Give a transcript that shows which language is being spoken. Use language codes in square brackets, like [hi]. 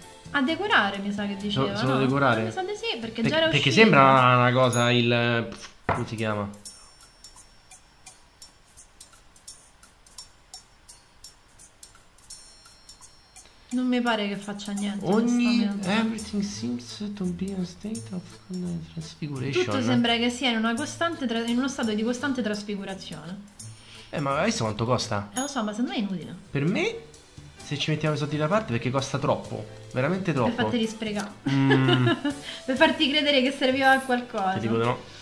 [it] A decorare, mi sa che diceva. Solo no? Decorare? Mi sa di sì, perché già era uscito. Perché sembra una cosa il... come si chiama? Non mi pare che faccia niente. Ogni... [en] Everything seems to be a state of transfiguration. [it] Tutto sembra che sia in una costante in uno stato di costante trasfigurazione. Ma hai visto quanto costa? Lo so, ma secondo me è inutile. Per me Se ci mettiamo i soldi da parte, perché costa troppo, veramente troppo. Per farti sprecare. Per farti credere che serviva a qualcosa. Ti dico no.